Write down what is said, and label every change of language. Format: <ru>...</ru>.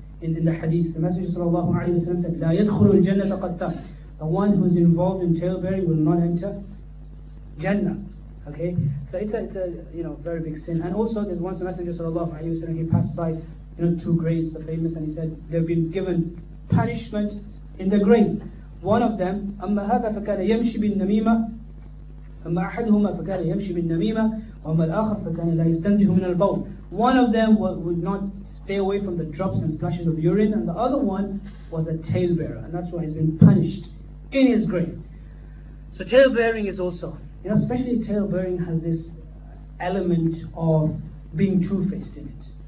<en>In the hadith, the Messenger sallallahu alayhi wa sallam said,</en> <ar>لَا يَدْخُلُ الْجَنَّةَ قَتَّات.</ar> <en>The one who is involved in talebearing will not enter Jannah. Okay, so it's a you know, very big sin. And also there's once the Messenger sallallahu alayhi wa sallam, he passed by, you know, two graves, the famous, and he said they've been given punishment in the grave. One of them,</en> <ar>أَمَّا هَذَا فَكَانَ يَمْشِ بِالنَّمِيمَةِ أَمَّا أَحَدُهُمَا فَكَانَ يَمْشِ بِالنَّمِيمَةِ وَأَمَّا الْآخَرَ فَكَانَ لَا يَسْتَنْزِهُ مِنَ الْبَوْلِ.</ar> <en>One of them would not stay away from the drops and splashes of urine, and the other one was a talebearer, and that's why he's been punished in his grave. So talebearing is also, you know, especially talebearing has this element of being two-faced in it.</en>